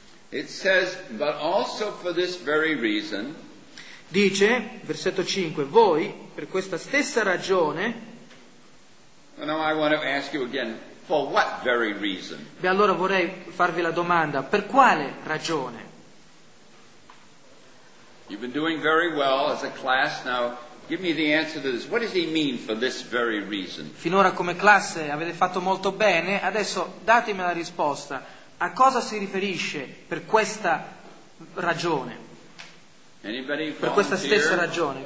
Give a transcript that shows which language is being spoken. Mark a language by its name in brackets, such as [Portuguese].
[English] It says, but also for this very reason, [Italian] dice, versetto 5, voi per questa stessa ragione. [English] No, I want to ask you again. For what very reason? [Italian] Beh, allora vorrei farvi la domanda, per quale ragione? [English] You've been doing very well as a class, now give me the answer to this. What does he mean for this very reason? [Italian] Finora come classe avete fatto molto bene, adesso datemi la risposta. A cosa si riferisce per questa ragione? [English] Anybody volunteer? [Italian] Per questa stessa ragione.